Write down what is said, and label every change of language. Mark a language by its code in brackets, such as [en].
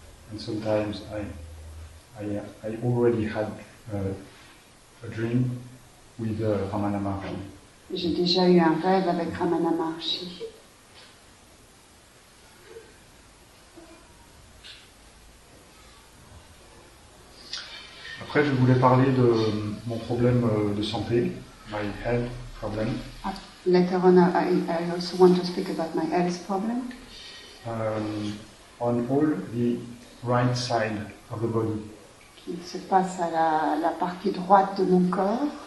[en] And sometimes I already had a dream with Ramana Maharshi. [fr] J'ai déjà eu un rêve avec Ramana Maharshi. Après, je voulais parler de mon problème de santé. [en] My health problem. Later on, I also want to speak about my health problem. On all the right side of the body. [fr] Qui se passe à la partie droite de mon corps.